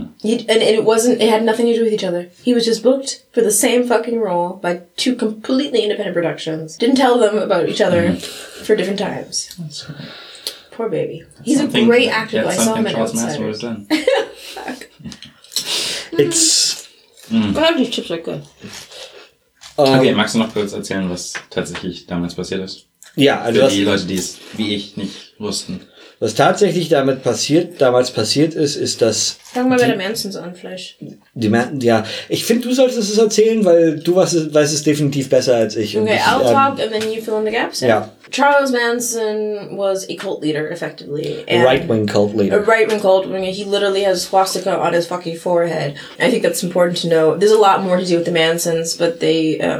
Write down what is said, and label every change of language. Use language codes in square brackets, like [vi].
[en] It had nothing to do with each other. He was just booked for the same fucking role by two completely independent productions. Didn't tell them about each other for different times. That's right. Poor baby. That's He's a great actor. I saw him in Outsiders. Fuck. It's... Mm. Well, these chips are good. [de] Okay, magst du noch kurz erzählen, was tatsächlich damals passiert ist? Ja, also für die Leute, die es wie ich nicht wussten. Was tatsächlich damals passiert ist, ist, dass... Fangen wir bei der Mansons an, vielleicht. Ich finde, du solltest es erzählen, weil du weißt es definitiv besser als ich. [en] Okay, und I'll talk and then you fill in the gaps. Yeah. Charles Manson was a cult leader, effectively. A right-wing cult leader. He literally has a swastika on his fucking forehead. I think that's important to know. There's a lot more to do with the Mansons, but they...